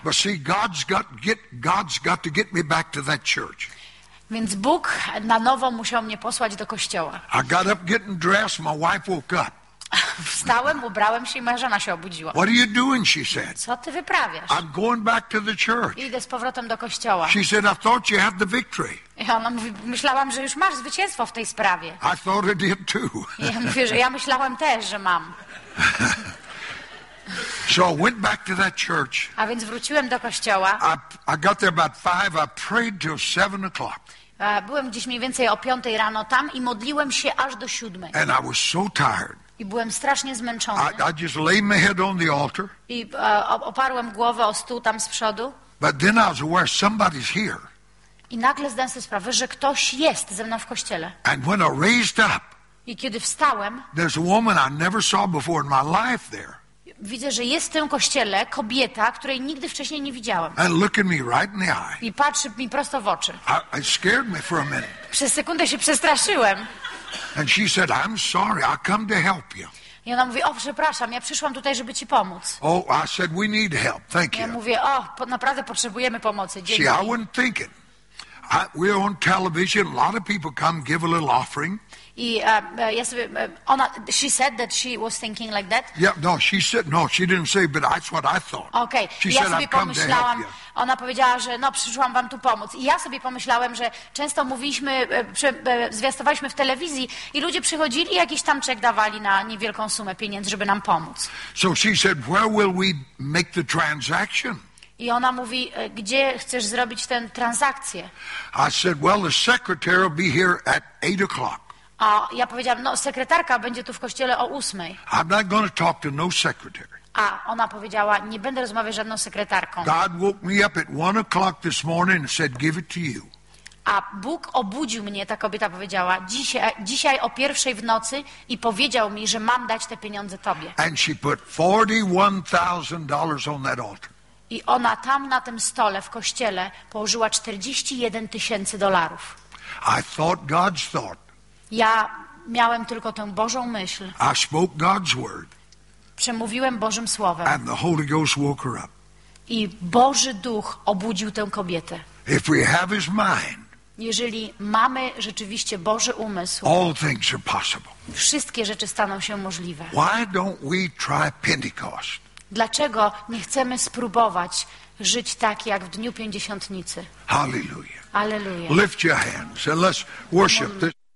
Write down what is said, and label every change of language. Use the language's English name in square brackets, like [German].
[English] But see, God's got to get me back to that church. [Polish] Więc Bóg na nowo musiał mnie posłać do kościoła. [English] I got up getting dressed, my wife woke up. [Polish] Wstałem, ubrałem się i moja żona się obudziła. [English] What are you doing, she said. [Polish] Co ty wyprawiasz? [English] I'm going back to the church. [Polish] Idę z powrotem do kościoła. [English] She said, I thought you had the victory. [Polish] I ona mówi, myślałam, że już masz zwycięstwo w tej sprawie. [English] I thought I did too. [Polish] I ja mówię, że ja myślałem też, że mam. [English] So I went back to that church. [Polish] A więc wróciłem do kościoła. [English] I got there about 5, I prayed till 7 o'clock. [Polish] Byłem gdzieś mniej więcej o 5 rano tam i modliłem się aż do 7. [English] And I was so tired. [Polish] I byłem strasznie zmęczony. [English] I just laid my head on the altar. [Polish] I oparłem głowę o stół tam z przodu. [English] But then I was aware somebody's here. [Polish] I nagle zdałem sobie sprawę, że ktoś jest ze mną w kościele. [English] And when I raised up, [Polish] i kiedy wstałem, [English] there's a woman I never saw before in my life there. [Polish] Widzę, że jest w tym kościele kobieta, której nigdy wcześniej nie widziałem. [English] And look at me right in the eye. [Polish] I patrzy mi prosto w oczy. [English] I scared me for a minute. [Polish] Przez sekundę się przestraszyłem. [English] And she said, I'm sorry, I come to help you. [Polish] I ona mówi, przepraszam, ja przyszłam tutaj, żeby ci pomóc. [English] Oh, I said, we need help, thank you. [Polish] Ja mówię, naprawdę potrzebujemy pomocy, dzięki. [English] See, I wasn't thinking. We're on television, a lot of people come give a little offering. [Polish] I ja sobie, ona, [English] she said that she was thinking like that. Yeah, no, she said, no, she didn't say, but that's what I thought. Okay, she ja said, sobie I've pomyślałam, come to help you. [Polish] Ona powiedziała, że no, przyszłam wam tu pomóc. I ja sobie pomyślałem, że często mówiliśmy, zwiastowaliśmy w telewizji i ludzie przychodzili i jakiś tam czek dawali na niewielką sumę pieniędzy, żeby nam pomóc. [English] So she said, where will we make the transaction? [Polish] I ona mówi, gdzie chcesz zrobić tę transakcję? [English] I said, well, the secretary will be here at 8 o'clock. [Polish] A ja powiedziałam, no sekretarka będzie tu w kościele o 8. [English] I'm not going to talk to no secretary. [Polish] A ona powiedziała, nie będę rozmawiać z żadną sekretarką. [English] God woke me up at 1 o'clock this morning and said, give it to you. [Polish] A Bóg obudził mnie, ta kobieta powiedziała, dzisiaj o 1 w nocy i powiedział mi, że mam dać te pieniądze tobie. [English] And she put $41,000 on that altar. [Polish] I ona tam na tym stole w kościele położyła $41,000. [English] I thought God's thought. [Polish] Ja miałem tylko tę Bożą myśl. [English] I spoke God's word. [Polish] Przemówiłem Bożym słowem. [English] And the Holy Ghost woke her up. [Polish] I Boży Duch obudził tę kobietę. [English] If we have his mind, [Polish] jeżeli mamy rzeczywiście Boży umysł, [English] all things are possible. [Polish] Wszystkie rzeczy staną się możliwe. [English] Why don't we try Pentecost? [Polish] Dlaczego nie chcemy spróbować żyć tak jak w dniu Pięćdziesiątnicy? [English] Hallelujah. [Polish] Hallelujah. [English] Lift your hands and let's worship this.